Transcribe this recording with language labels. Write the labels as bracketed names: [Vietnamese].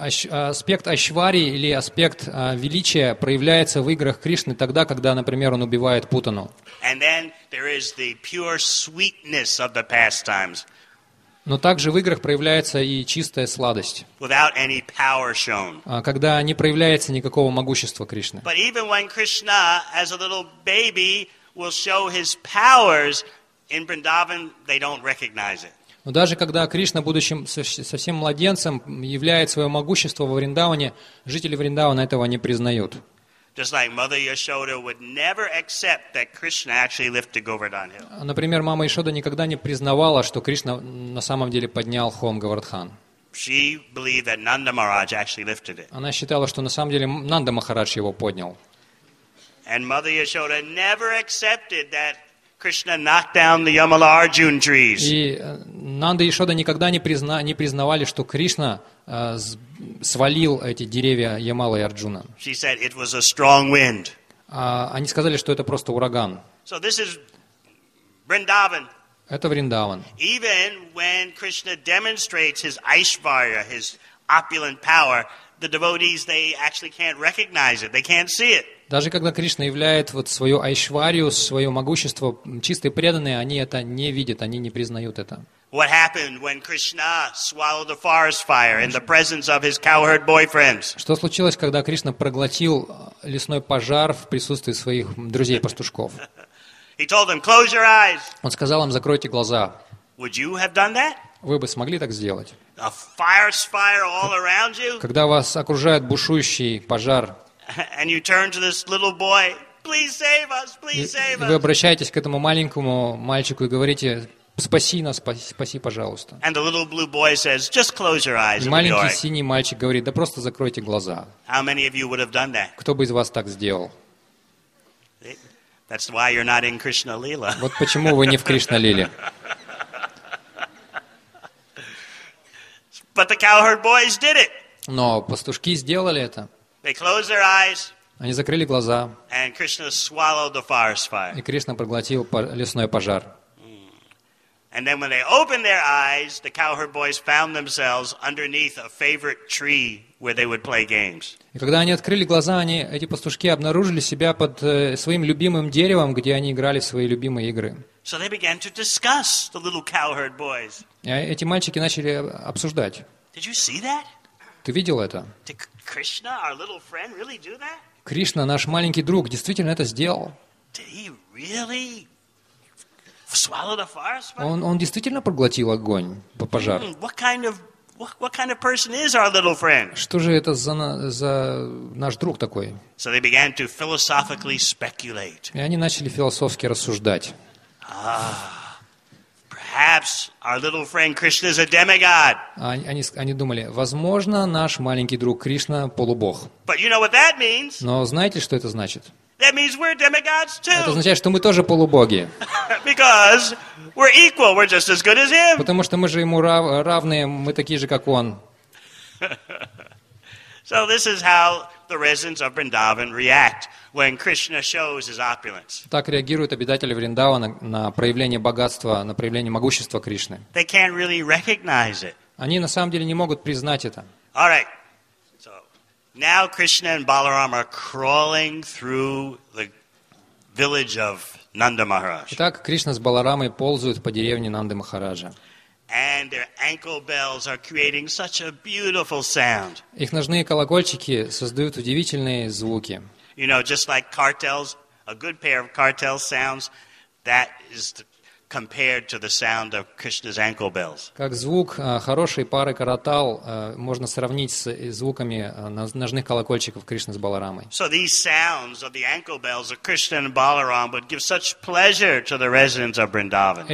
[Russian] Аспект Айшварьи или аспект величия проявляется в играх Кришны тогда, когда, например, он убивает Путану. [English] And then there is the pure sweetness of the pastimes. [Russian] Но также в играх проявляется и чистая сладость. [English] Without any power shown. [Russian] Когда не проявляется никакого могущества Кришны. [English] But even when Krishna, as a little baby, will show his powers in Vrindavan, they don't recognize it. [Russian] Но даже когда Кришна, будучи совсем младенцем, являет свое могущество во Вриндаване, жители Вриндавана этого не признают. [English] Just like Mother Yashoda would never accept that Krishna actually lifted Govardhan Hill. [Russian] Например, мама Яшода никогда не признавала, что Кришна на самом деле поднял холм Говардхан. [English] She believed that Nanda Maharaj actually lifted it. [Russian] Она считала, что на самом деле Нанда Махарадж его поднял. [English] And Mother Yashoda never accepted that Krishna knocked down the Yamalarjun trees. [Russian] И Нанда Яшода никогда не признавали, что Кришна свалил эти деревья Ямала и Арджуна. [English] She said it was a strong wind. [Russian] Они сказали, что это просто ураган. [English] So this is Vrindavan. [Russian] Это Вриндаван. [English] Even when Krishna demonstrates his Aishvarya, his opulent power, the devotees, they actually can't recognize it. They can't see it. [Russian] Даже когда Кришна являет вот свою айшварию, свое могущество, чистые преданные, они это не видят, они не признают это. [English] What happened when Krishna swallowed the forest fire in the presence of his cowherd boyfriends? [Russian] Что случилось, когда Кришна проглотил лесной пожар в присутствии своих друзей пастушков? [English] He told them, "Close your eyes." [Russian] Он сказал им: "Закройте глаза." [English] Would you have done that? [Russian] Вы бы смогли так сделать? [English] A forest fire all around you? [Russian] Когда вас окружает бушующий пожар? [English] And you turn to this little boy, "Please save us! Please save us!" [Russian] Вы обращаетесь к этому маленькому мальчику и говорите: "Спаси нас, спаси, пожалуйста." [English] And the little blue boy says, "Just close your eyes." [Russian] Маленький синий мальчик говорит: "Да просто закройте глаза." [English] How many of you would have done that? [Russian] Кто бы из вас так сделал? [English] That's why you're not in Krishna Lila. [Russian] Вот почему вы не в Кришна Лиле. [English] But the cowherd boys did it. [Russian] Но пастушки сделали это. [English] They closed their eyes. [Russian] Они закрыли глаза. [English] And Krishna swallowed the forest fire. [Russian] И Кришна проглотил лесной пожар. [English] And then when they opened their eyes, the cowherd boys found themselves underneath a favorite tree where they would play games. [Russian] И когда они открыли глаза, они эти пастушки обнаружили себя под своим любимым деревом, где они играли в свои любимые игры. [English] So they began to discuss the little cowherd boys. [Russian] И эти мальчики начали обсуждать. [English] Did you see that? [Russian] Ты видел это? [English] Did Krishna, our little friend, really do that? [Russian] Кришна, наш маленький друг, действительно это сделал? [English] Did he really? Swallowed a forest fire? [Russian] Он действительно проглотил огонь, пожар. [English] What kind of person is our little friend? [Russian] Что же это за наш друг такой? [English] So they began to philosophically speculate. [Russian] И они начали философски рассуждать. [English] Perhaps our little friend Krishna is a demigod. [Russian] Они думали, возможно, наш маленький друг Кришна полубог. [English] But you know what that means? [Russian] Но знаете, что это значит? [English] That means we're demigods too. [Russian] Это означает, что мы тоже полубоги. [English] Because we're equal, we're just as good as him. [Russian] Потому что мы же ему равные, мы такие же, как он. [English] So this is how the residents of Vrindavan react when Krishna shows his opulence. [Russian] Так реагируют обитатели Вриндавана на проявление богатства, на проявление могущества Кришны. [English] They can't really recognize it. [Russian] Они на самом деле не могут признать это. [English] All right. Now Krishna and Balaram are crawling through the village of Nanda Maharaj. [Russian] Итак, Кришна с Баларамой ползают по деревне Нанды Махараджа. [English] And their ankle bells are creating such a beautiful sound. [Russian] Их ножные колокольчики создают удивительные звуки. [English] You know, just like cartels, a good pair of cartel sounds, that is compared to the sound of Krishna's ankle bells. [Russian] Как звук хорошей пары каратал можно сравнить с звуками ножных колокольчиков Кришны с Баларамой. [English] So these sounds of the ankle bells of Krishna and Balaram would give such pleasure to the residents of Vrindavan.